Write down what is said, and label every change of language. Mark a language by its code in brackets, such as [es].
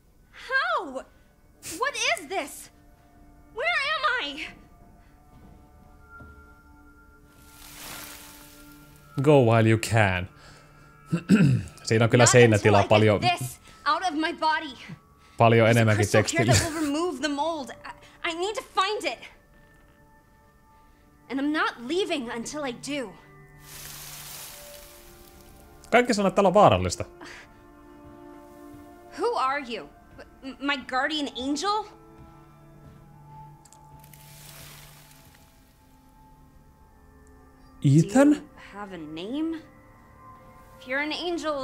[en] How? What is this? Where am I? Go while you can. [fi] Siinä on kyllä seinätilaa paljon. [en] Out of my body. [fi] Paljon enemmänkin tekstillä. [en] Crystal here to remove the mold. I need to find it. And I'm not leaving until I do. [fi] Kaikki sanoo, että täällä on vaarallista. [en] Who are you? My guardian angel? Ethan? Do you have a name? If you're an angel,